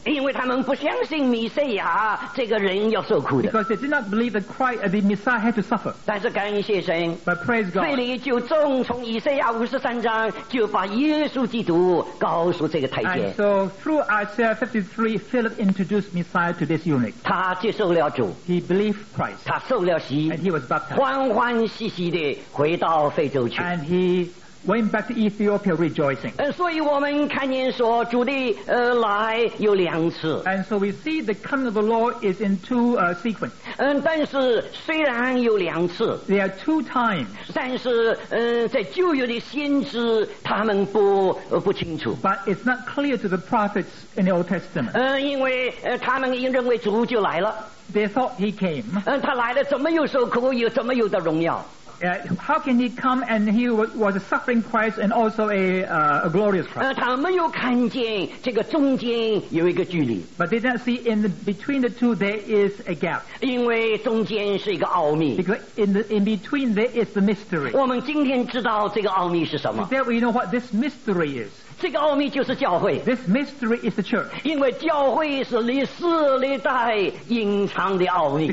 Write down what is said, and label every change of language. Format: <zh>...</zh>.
<zh>因为他们不相信弥赛亚这个人要受苦的</zh> <en>Because they did not believe that Christ, the Messiah had to suffer</en> <zh>但是感谢神</zh> <en>But praise God</en> <zh>腓力就正从以赛亚五十三章就把耶稣基督告诉这个太监</zh> <en>And so through Isaiah 53, Philip introduced Messiah to this eunuch.</en> <zh>他接受了主。</zh> <en>He believed Christ.</en> <zh>他受了洗。</zh> <en>And he was baptized.</en> <zh>欢欢喜喜地回到非洲去。</zh> <en>And he went back to Ethiopia rejoicing.</en> <zh>所以我们看见说主的来有两次。</zh> <en>And so we see the coming of the Lord is in two sequence.</en> <zh>但是虽然有两次。</zh> <en>There are two times.</en> <zh>但是在旧约的先知他们不清楚。</zh> <en>But it's not clear to the prophets in the Old Testament.</en> <zh>因为他们已经认为主就来了。</zh> <en>They thought he came.</en> <zh>他来了怎么有受苦又怎么有的荣耀。</zh> <en>How can he come and he was a suffering Christ and also a glorious Christ?</en> <zh>他没有看见这个中间有一个距离。</zh> <en>But they didn't see in between the two there is a gap.</en> <zh>因为中间是一个奥秘。</zh> <en>Because in between there is the mystery.</en> <zh>我们今天知道这个奥秘是什么。</zh> <en>Therefore, you know what this mystery is.</en> <zh>这个奥秘就是教会。</zh> <en>This mystery is the church.</en> <zh>因为教会是历史历代隐藏的奥秘。</zh>